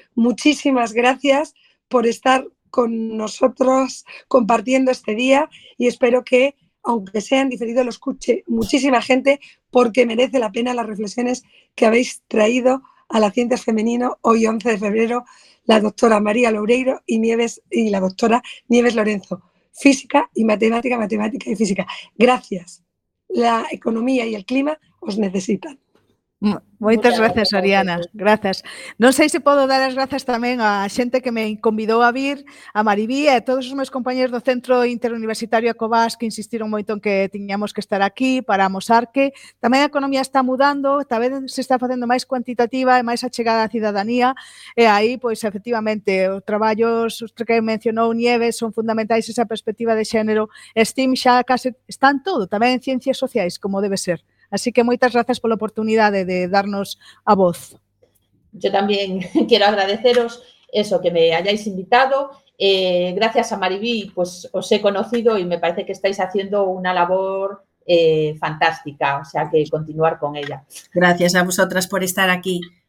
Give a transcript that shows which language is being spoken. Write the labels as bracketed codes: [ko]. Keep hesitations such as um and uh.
[es] Muchísimas gracias por estar con nosotros compartiendo este día y espero que, aunque sea en diferido, lo escuche muchísima gente porque merece la pena las reflexiones que habéis traído a las ciencias femenino hoy 11 de febrero la doctora María Loureiro y, Nieves, y la doctora Nieves Lorenzo. Física y matemática, matemática y física. Gracias. La economía y el clima os necesitan. Mo- [gl] Moitas Moitas gracias, [es] gracias, Ariana. Gracias. [gl] Non sei se podo dar as grazas tamén á xente que me convidou a vir, a Maribí e a todos os meus compañeros do Centro Interuniversitario Acobás que insistiron moito en que tiñamos que estar aquí para amosar que tamén a economía está mudando, tamén se está facendo máis cuantitativa e máis achegada á cidadanía e aí, pois, efectivamente, os traballos os que mencionou Nieves son fundamentais esa perspectiva de xénero. STEAM xa case están todo, tamén en ciencias sociais, como debe ser. Así que moitas grazas pola oportunidade de darnos a voz. [es] Yo también quiero agradeceros eso, que me hayáis invitado. Eh, gracias a Maribí, pues os he conocido y me parece que estáis haciendo una labor eh, fantástica, o sea que continuar con ella. Gracias a vosotras por estar aquí.